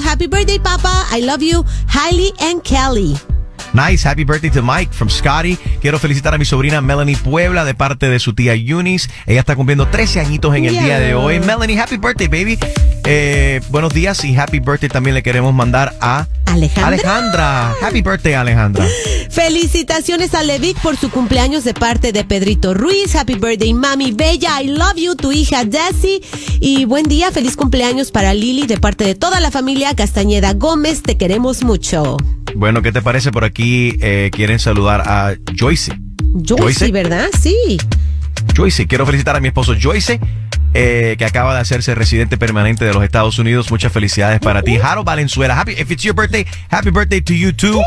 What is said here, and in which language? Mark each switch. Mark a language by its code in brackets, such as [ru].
[en] Happy birthday, papa, I love you, Hailey and Kelly. Nice, happy birthday to Mike from Scotty. [es] Quiero felicitar a mi sobrina Melanie Puebla de parte de su tía Eunice. Ella está cumpliendo 13 añitos en el día de hoy. Melanie, happy birthday, baby. Buenos días y happy birthday también le queremos mandar a Alejandra. [en] Happy birthday, Alejandra. [es] Felicitaciones a Levic por su cumpleaños de parte de Pedrito Ruiz. [en] Happy birthday, mami bella. I love you, tu hija Jessy. [es] Y buen día, feliz cumpleaños para Lili de parte de toda la familia Castañeda Gómez. Te queremos mucho. Bueno, ¿qué te parece? Por aquí quieren saludar a Joyce. Joyce, ¿verdad? Sí. Joyce, quiero felicitar a mi esposo Joyce, que acaba de hacerse residente permanente de los Estados Unidos. Muchas felicidades para ti. [en] Harold Valenzuela, happy, if it's your birthday, happy birthday to you too.